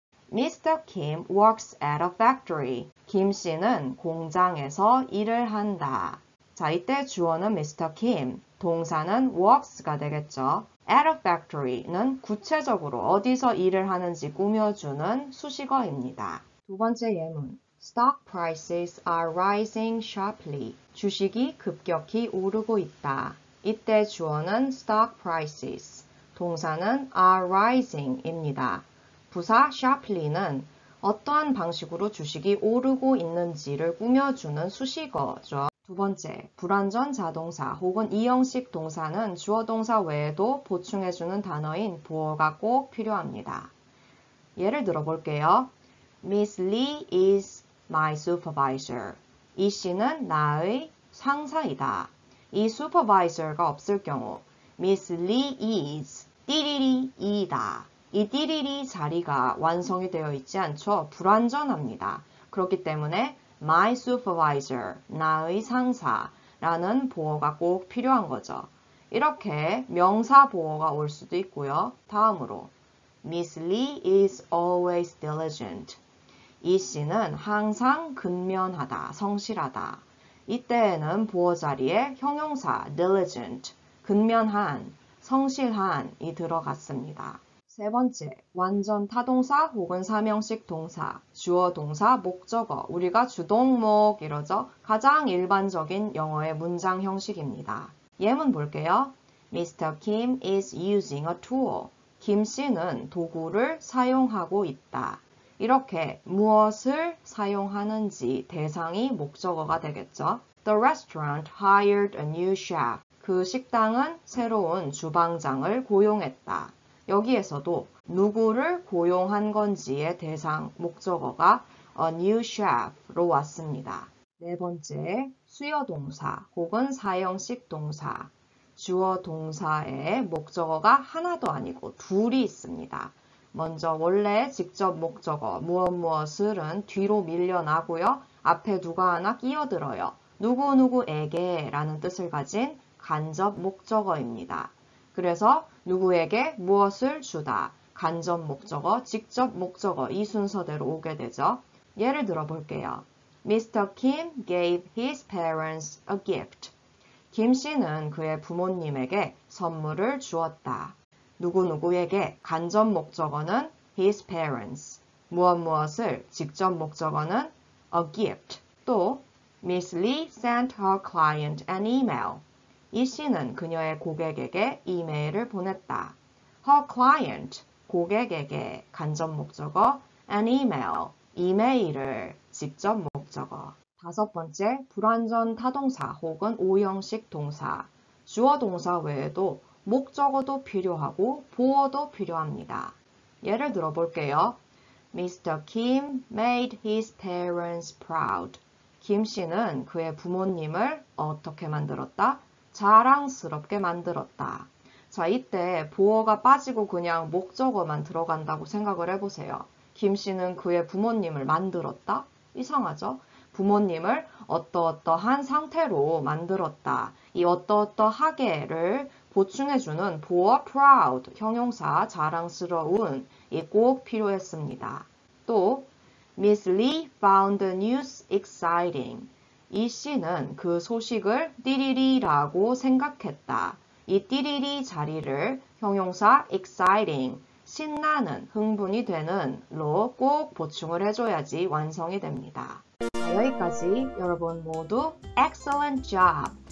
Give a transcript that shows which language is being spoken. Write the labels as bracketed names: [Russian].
[English] Mr. Kim works at a factory. [Korean] 김 씨는 공장에서 일을 한다. 자, 이때 주어는 Mr. Kim, 동사는 works가 되겠죠. [English] At a factory [Korean] 는 구체적으로 어디서 일을 하는지 꾸며주는 수식어입니다. 두 번째 예문. [English] Stock prices are rising sharply. [Korean] 주식이 급격히 오르고 있다. 이때 주어는 [English] stock prices, [Korean] 동사는 [English] are rising [Korean] 입니다. 부사 sharply는 어떠한 방식으로 주식이 오르고 있는지를 꾸며주는 수식어죠. 두 번째, 불완전 자동사 혹은 이형식 동사는 주어 동사 외에도 보충해주는 단어인 보어가 꼭 필요합니다. 예를 들어볼게요. [English] Miss Lee is my supervisor. [Korean] 이 씨는 나의 상사이다. 이 supervisor가 없을 경우, [English] Miss Lee is [Korean] 띠리리이다. 이 띠리리 자리가 완성이 되어 있지 않죠? 불완전합니다. 그렇기 때문에 [English] My supervisor, [Korean] 나의 상사라는 보어가 꼭 필요한 거죠. 이렇게 명사 보어가 올 수도 있고요. 다음으로, [English] Miss Lee is always diligent. [Korean] 이 씨는 항상 근면하다, 성실하다. 이때에는 보어 자리에 형용사 diligent, 근면한, 성실한이 들어갔습니다. 세 번째, 완전 타동사 혹은 삼형식 동사, 주어 동사 목적어, 우리가 주동목 이러죠. 가장 일반적인 영어의 문장 형식입니다. 예문 볼게요. [English] Mr. Kim is using a tool. [Korean] 김 씨는 도구를 사용하고 있다. 이렇게 무엇을 사용하는지 대상이 목적어가 되겠죠. [English] The restaurant hired a new chef. [Korean] 그 식당은 새로운 주방장을 고용했다. 여기에서도 누구를 고용한 건지의 대상, 목적어가 [English] a new chef [Korean] 로 왔습니다. 네 번째, 수여 동사 혹은 사형식 동사. 주어 동사에 목적어가 하나도 아니고 둘이 있습니다. 먼저 원래 직접 목적어, 무엇무엇을은 뒤로 밀려나고요. 앞에 누가 하나 끼어들어요. 누구누구에게라는 뜻을 가진 간접 목적어입니다. 그래서 누구에게 무엇을 주다, 간접 목적어, 직접 목적어 이 순서대로 오게 되죠. 예를 들어 볼게요. Mr. [English] Kim gave his parents a gift. [Korean] 김 씨는 그의 부모님에게 선물을 주었다. 누구누구에게 간접 목적어는 [English] his parents. [Korean] 무엇무엇을 직접 목적어는 [English] a gift. 또 Miss Lee sent her client an email. [Korean] 이 씨는 그녀의 고객에게 이메일을 보냈다. [English] Her client, [Korean] 고객에게 간접 목적어, [English] an email, [Korean] 이메일을 직접 목적어. 다섯 번째, 불완전 타동사 혹은 오형식 동사. 주어 동사 외에도 목적어도 필요하고 보어도 필요합니다. 예를 들어 볼게요. Mr. [English] Kim made his parents proud. [Korean] 김 씨는 그의 부모님을 어떻게 만들었다? 자랑스럽게 만들었다. 자, 이때 보어가 빠지고 그냥 목적어만 들어간다고 생각을 해보세요. 김 씨는 그의 부모님을 만들었다? 이상하죠? 부모님을 어떠어떠한 상태로 만들었다. 이 어떠어떠하게를 보충해주는 보어 proud, 형용사 자랑스러운이 꼭 필요했습니다. [English] 또, Miss Lee found the news exciting. [Korean] 이 씨는 그 소식을 띠리리라고 생각했다. 이 띠리리 자리를 형용사 exciting, 신나는, 흥분이 되는로 꼭 보충을 해줘야지 완성이 됩니다. 여기까지 여러분 모두 [English] excellent job!